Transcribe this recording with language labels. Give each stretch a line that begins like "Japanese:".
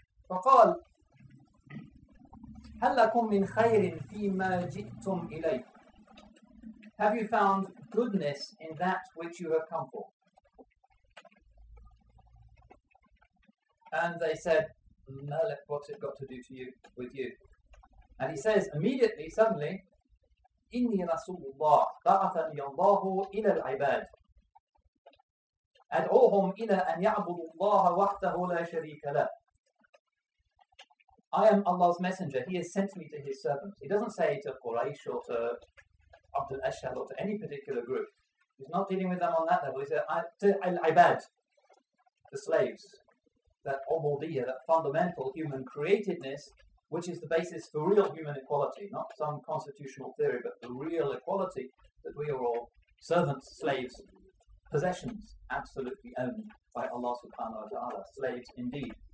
Arabic: فَقَالْ هَلَّكُمْ مِنْ خَيْرٍ فِي مَا جِئْتُمْ إِلَيْهِ.
English: Have you found goodness in that which you have come for? And they said, Malik, what's it got to do to you, with you? And he says, immediately, suddenly,
Arabic: إِنِّي رَسُولُ اللَّهِ بَعَثَنِي اللَّهُ إِلَى الْعِبَادِ أَدْعُوهُمْ إِلَىٰ أَنْ يَعْبُدُوا اللَّهَ وَحْدَهُ لَا شَرِيكَ لَهُ.
English: I am Allah's messenger. He has sent me to his servants. He doesn't say to Quraysh or to Abd al-Ashhad or to any particular group. He's not dealing with them on that level. He says, to al-ibad, the slaves. That obaldiyah, that fundamental human createdness, which is the basis for real human equality, not some constitutional theory, but the real equality that we are all servants, slaves, possessions, absolutely owned by Allah subhanahu wa ta'ala, slaves indeed.